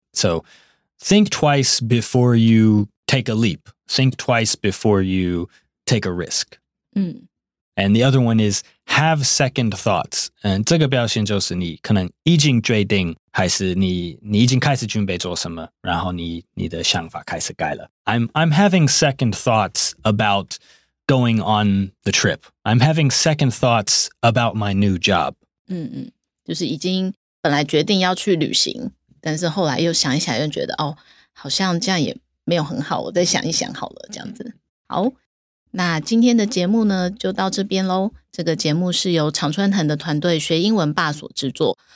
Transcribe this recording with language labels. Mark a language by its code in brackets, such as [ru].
[en] So think twice before you take a leap. Think twice before you take a risk. And the other one is have second thoughts. [zh] 这个表现就是你可能已经决定，还是 你已经开始准备做什么，然后 你的想法开始改了。 [en] I'm having second thoughts about going on the trip. I'm having second thoughts about my new job. [zh] 就是已经本来决定要去旅行，但是后来又想一想，又觉得哦，好像这样也没有很好，我再想一想好了，这样子。好。那今天的节目呢就到这边咯。这个节目是由常春藤的团队学英文霸所制作。